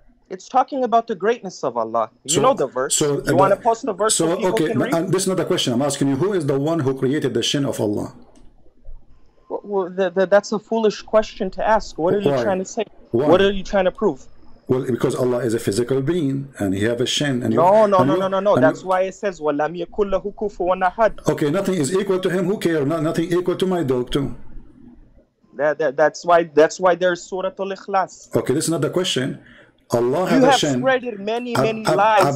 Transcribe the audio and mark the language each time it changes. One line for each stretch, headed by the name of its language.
English: It's talking about the greatness of Allah. You know the verse. Want to post the verse so people okay, can read? This is not a question. I'm asking you, who is the one who created the Shin of Allah? Well, that's a foolish question to ask. What are you trying to say? Why? What are you trying to prove? Well, because Allah is a physical being and he have a shin. And No. That's why it says,
Arabic: وَلَمْ يَكُلْ لَهُ كُفُوًا أَحَدٌ.
English: Okay, nothing is equal to him. Who cares? Nothing equal to my dog, too. That's why there's Surah Al-Ikhlas. Okay, this is not the question. Allah has a shin. You have spread many, many lies.